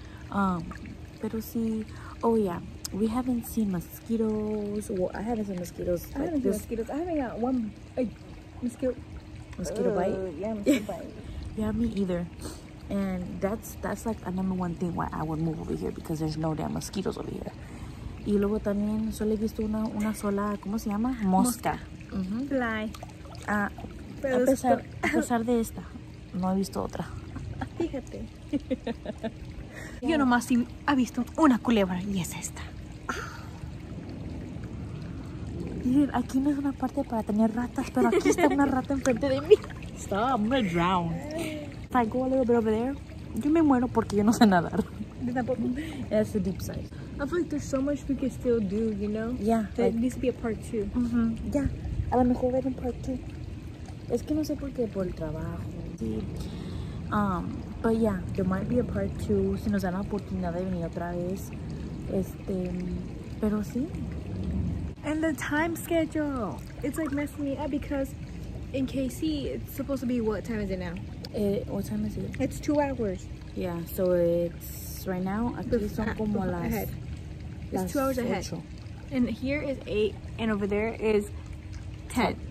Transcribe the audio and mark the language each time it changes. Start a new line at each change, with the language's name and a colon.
English: Pero si, oh yeah. We haven't seen mosquitoes. Well, I haven't seen mosquitoes. I haven't got one mosquito bite. Yeah, me either. And that's like a number one thing why I would move over here, because there's no damn mosquitoes over here.
Spanish: Y luego también solo he visto una sola, ¿cómo se llama? Mosca.
English: Mm-hmm. Fly.
Spanish: A pesar de esta, no he visto otra. Fíjate.
English: Yeah.
Spanish: Yo nomás he visto una culebra y es esta. Miren, aquí no es una parte para tener ratas, pero aquí está una rata enfrente de mí.
English: Stop, I'm gonna drown. If I go a little bit over there, yo me muero porque yo no sé nadar. That's the deep side. I feel like there's so much we can still do, you know? Yeah. That like, needs to be a part two.
Spanish: Mm-hmm. Yeah. A lo mejor ver un part two. Es que no sé por qué, por el trabajo. Sí.
English: But yeah, there might be a part two.
Spanish: Si nos dan la oportunidad de venir otra vez. Pero sí.
English: And the time schedule. It's like messing me up because in KC, it's supposed to be what time is it now? What time is it? It's 2 hours. Yeah, so it's right now. Aquí son como las. Ahead. It's 2 hours ocho. Ahead. And here is 8, and over there is 10.